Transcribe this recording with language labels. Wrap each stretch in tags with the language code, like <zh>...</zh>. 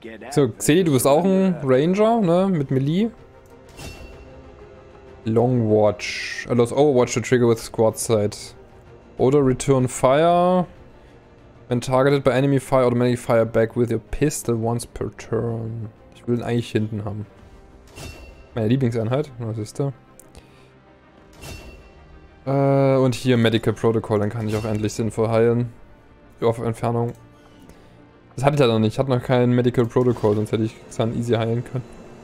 <de>So, Xeli, du bist auch ein Ranger, ne? Mit Melee.</de> <en>Long Watch. Allows Overwatch to trigger with squad sight. Oder return fire. When targeted by enemy fire, automatically fire back with your pistol once per turn.</en> <de>Ich will ihn eigentlich hinten haben. Meine Lieblingseinheit. Was ist da? Und hier Medical Protocol, dann kann ich auch endlich sinnvoll heilen. Auf Entfernung. Das hatte ich ja noch nicht. Ich hatte noch kein Medical Protocol, sonst hätte ich Xan easy heilen können.</de>